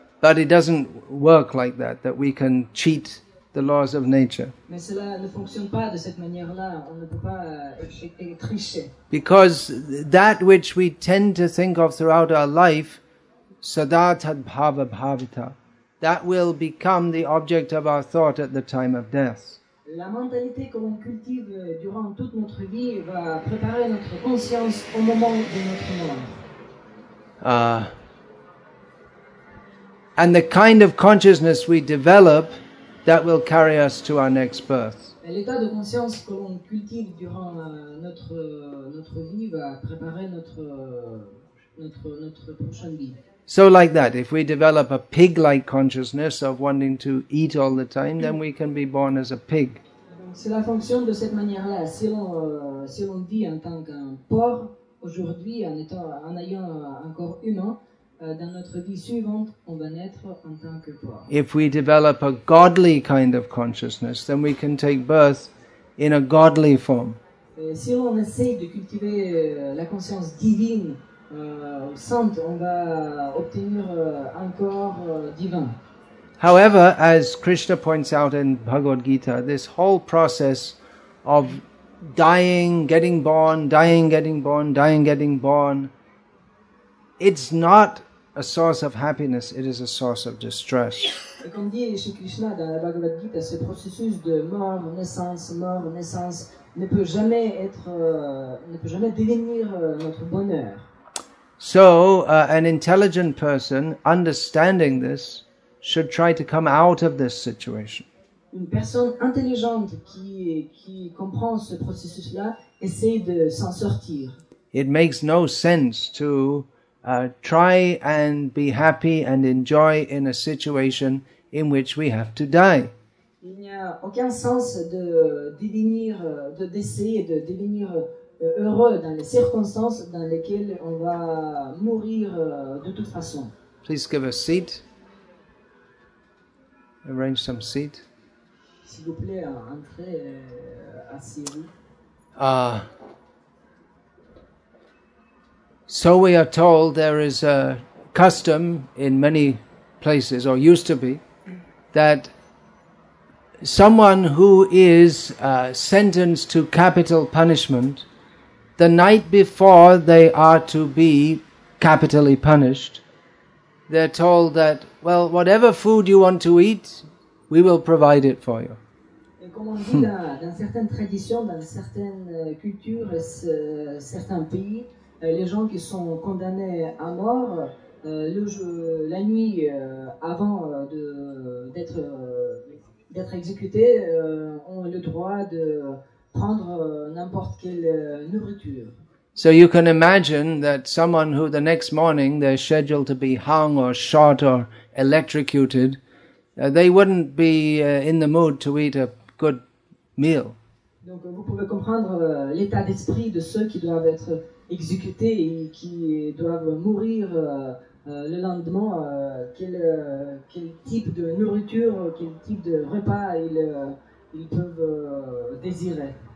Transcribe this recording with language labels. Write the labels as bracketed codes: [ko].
[en] But it doesn't work like that we can cheat the laws of nature. [fr] Mais cela ne fonctionne pas de cette manière-là, on ne peut pas tricher. [en] Because that which we tend to think of throughout our life, [sa] sada tad bhava bhavita, [en] that will become the object of our thought at the time of death. [fr] La mentalité que l'on cultive durant toute notre vie va préparer notre conscience au moment de notre mort. [en] And the kind of consciousness we develop, that will carry us to our next birth. [fr] Et l'état de conscience que l'on cultive durant notre vie va préparer notre prochaine vie. [en] So like that, if we develop a pig-like consciousness of wanting to eat all the time, then we can be born as a pig. [fr] Si la fonctionne de cette manière-là, si l'on vit en tant qu'un porc aujourd'hui, en ayant un corps humain, dans notre vie suivante, on va naître en tant que quoi? [en] If we develop a godly kind of consciousness, then we can take birth in a godly form. [fr] Si on essaie de cultiver la conscience divine, sainte, on va obtenir un corps divin. [en] However, as Krishna points out in Bhagavad Gita, this whole process of dying, getting born, dying, getting born, dying, getting born, it's not a source of happiness, it is a source of distress. [fr] Et comme dit Shri Krishna dans la Bhagavad Gita, ce processus de mort, naissance, ne peut jamais être, ne peut jamais devenir notre bonheur. [en] So, an intelligent person, understanding this, should try to come out of this situation. [fr] Une personne intelligente qui comprend ce processus-là essaie de s'en sortir. [en] It makes no sense to try and be happy and enjoy in a situation in which we have to die. [fr] Il n'y a aucun sens de devenir, de d'essayer de devenir heureux dans les circonstances dans lesquelles on va mourir de toute façon. [en] Please give a seat. Arrange some seat. [fr] S'il vous plaît, entrez, asseyez-vous. [en] So we are told there is a custom in many places, or used to be, that someone who is sentenced to capital punishment, the night before they are to be capitally punished, they're told that, well, whatever food you want to eat, we will provide it for you. [fr] Et comme on dit dans certaines traditions, dans certaines cultures, certains pays, les gens qui sont condamnés à mort, la nuit avant d'être exécutés, ont le droit de prendre n'importe quelle nourriture. [en] So you can imagine that someone who the next morning they're scheduled to be hung or shot or electrocuted, they wouldn't be in the mood to eat a good meal. [fr] Donc vous pouvez comprendre l'état d'esprit de ceux qui doivent être exécutés et qui doivent mourir le lendemain. Quel type de nourriture, quel type de repas ils peuvent désirer.